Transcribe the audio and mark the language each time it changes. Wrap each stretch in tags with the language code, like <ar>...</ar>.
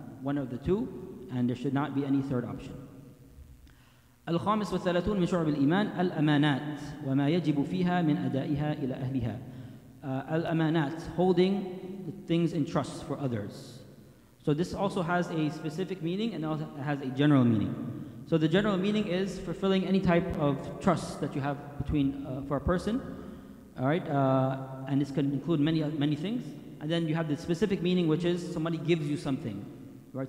<en>One of the two, and there should not be any third option.</en> <ar>الخامس والثلاثون من شعب الإيمان الأمانات وما يجب فيها من أدائها إلى أهلها الأمانات</ar> <en>holding the things in trust for others. So this also has a specific meaning and also has a general meaning. So the general meaning is fulfilling any type of trust that you have between for a person, all right? And this can include many things. And then you have the specific meaning, which is somebody gives you something, right?</en>